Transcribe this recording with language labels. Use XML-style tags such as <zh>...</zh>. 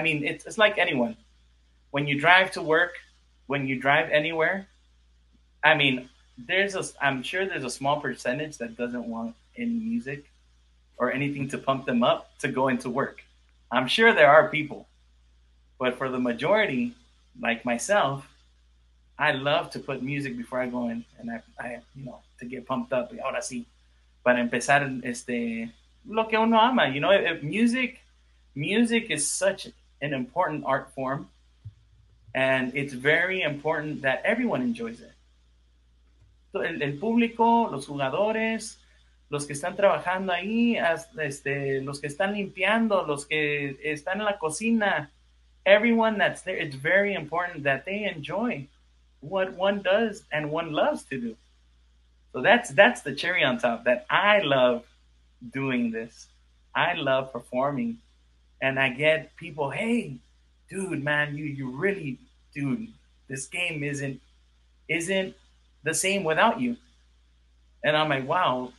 <en>I mean, it's like anyone. When you drive to work, when you drive anywhere, I mean, I'm sure there's a small percentage that doesn't want any music or anything to pump them up to go into work. I'm sure there are people. But for the majority, like myself, I love to put music before I go in and I you know, to get pumped up.</en> <es>Ahora sí. Para empezar, lo que uno ama.</es> <en>You know, music is such an important art form. And it's very important that everyone enjoys it.</en> <es>El público, los jugadores, los que están trabajando ahí, los que están limpiando, los que están en la cocina,</es> <en>everyone that's there, it's very important that they enjoy what one does and one loves to do. So that's the cherry on top, that I love doing this. I love performing. And I get people, hey, dude, man, you really, dude, this game isn't the same without you. And I'm like, wow.</en>